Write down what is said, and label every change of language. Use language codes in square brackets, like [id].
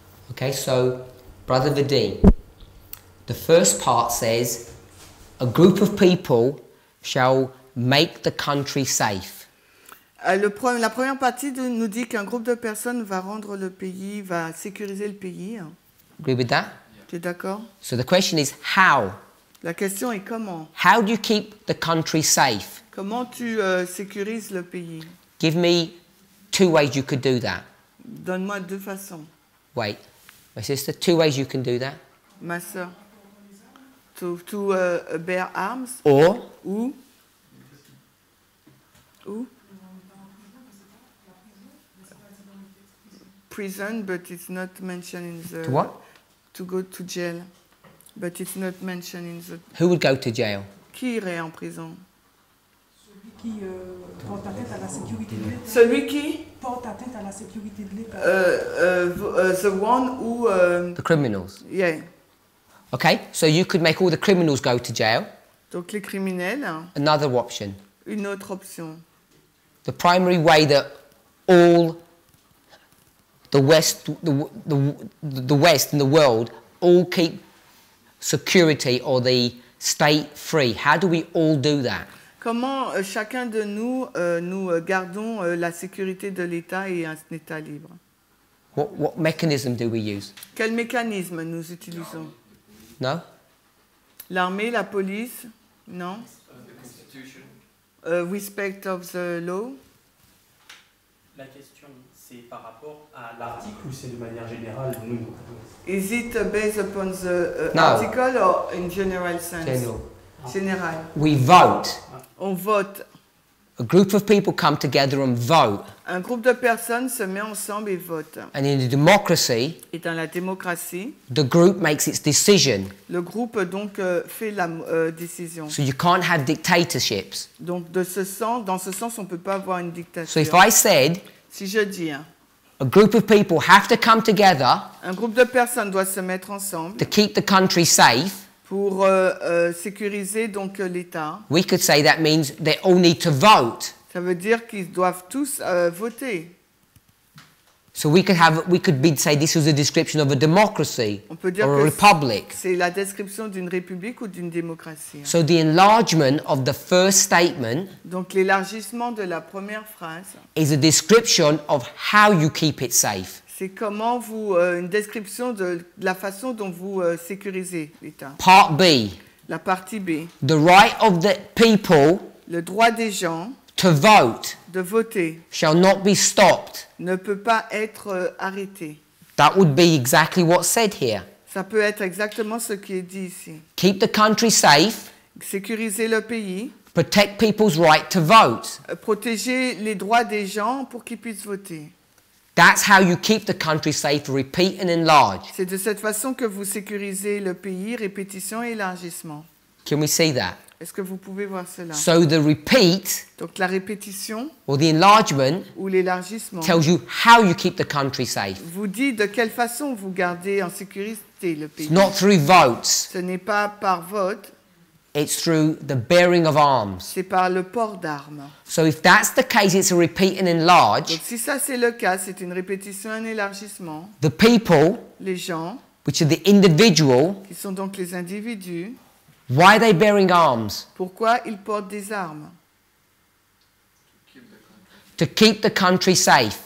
[en] Okay, so, Brother Vadim, the first part says, a group of people shall make the country safe. [fr] La première partie nous dit qu'un groupe de personnes va rendre le pays, va sécuriser le pays. [en] Agree with that? [fr] Tu es d'accord? [en] So the question is, how? [fr] La question est comment? [en] How do you keep the country safe? [fr] Comment tu sécurises le pays? [en] Give me two ways you could do that. [fr] Donne-moi deux façons. [en] Wait. My sister, two ways you can do that. [fr] Ma sœur, [en] to bear arms. Or. [fr] Ou. [en] Prison, but it's not mentioned in the. To what? To go to jail, but it's not mentioned in the. Who would go to jail? [fr] Qui irait en prison? Celui qui porte atteinte à la sécurité de l'État. Celui qui? Porte atteinte à la sécurité de l'État. [en] The one who. The criminals. Yeah. Okay, so you could make all the criminals go to jail. [fr] Donc les criminels. [en] Another option. [fr] Une autre option. [en] The primary way that all the West and the world all keep security or the state free. How do we all do that? [fr] Comment chacun de nous, nous gardons la sécurité de l'État et un État libre? [en] What mechanism do we use? [fr] Quel mécanisme nous utilisons? [en] No. [fr] L'armée, la police? Non. [en] The Constitution. Respect of the law? [fr] La question, c'est par rapport à l'article ou c'est de manière générale, nous? [en] Is it based upon the article or in general sense? General. We vote. [fr] On vote. [en] A group of people come together and vote. [fr] Un groupe de personnes se met ensemble et vote. [en] And in a democracy, [fr] et dans la démocratie, [en] the group makes its decision. [fr] Le groupe donc fait la décision. [en] So you can't have dictatorships. [fr] Donc dans ce sens, on peut pas avoir une dictature. [en] So if I said, [fr] si je dis, [en] a group of people have to come together, [fr] un groupe de personnes doit se mettre ensemble, [en] to keep the country safe. [fr] Pour sécuriser donc l'État. [en] We could say that means they all need to vote. [fr] Ça veut dire qu'ils doivent tous voter. [en] So we could say this is a description of a democracy or a republic. [fr] C'est la description d'une république ou d'une démocratie. [en] So the enlargement of the first statement. [fr] Donc l'élargissement de la première phrase. [en] Is a description of how you keep it safe. [fr] C'est comment vous une description de la façon dont vous sécurisez l'État. [en] Part B. [fr] La partie B. [en] The right of the people. [fr] Le droit des gens. [en] To vote. [fr] De voter. [en] Shall not be stopped. [fr] Ne peut pas être arrêté. [en] That would be exactly what's said here. [fr] Ça peut être exactement ce qui est dit ici. [en] Keep the country safe. [fr] Sécuriser le pays. [en] Protect people's right to vote. [fr] Protéger les droits des gens pour qu'ils puissent voter. [en] That's how you keep the country safe, repeat and enlarge. [fr] C'est de cette façon que vous sécurisez le pays, répétition et élargissement. [en] Can we see that? [fr] Est-ce que vous pouvez voir cela? [en] So the repeat, [fr] donc la répétition, [en] or the enlargement, [fr] ou l'élargissement, [en] tells you how you keep the country safe. [fr] Vous dit de quelle façon vous gardez en sécurité le pays. [en] It's not through votes. [fr] Ce n'est pas par vote. [en] It's through the bearing of arms. [fr] C'est par le port d'armes. [en] So if that's the case, it's a repeat and enlarge. [fr] Donc si ça c'est le cas, c'est une répétition, un élargissement. [en] The people, [fr] les gens, [en] which are the individual, [fr] qui sont donc les individus. [en] Why are they bearing arms? [fr] Pourquoi ils portent des armes? [en] To keep the country safe.